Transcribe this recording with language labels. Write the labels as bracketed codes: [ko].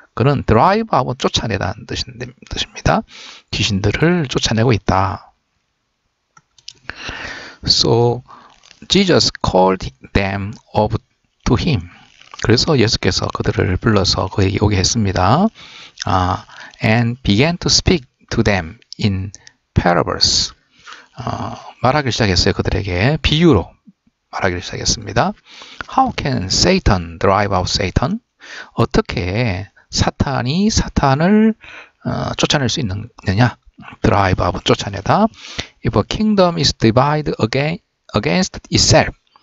[ko] 그는 drive out 쫓아내다는 뜻입니다. 귀신들을 쫓아내고 있다. [en] So Jesus called them up to him. [ko] 그래서 예수께서 그들을 불러서 그에게 오게 했습니다. [en] And began to speak to them in parables. [ko] 말하기 시작했어요. 그들에게 비유로 말하기 시작했습니다. [en] How can Satan drive out Satan? [ko] 어떻게 사탄이 사탄을 쫓아낼 수 있느냐? [en] Drive out, 쫓아내다. If a kingdom is divided against itself.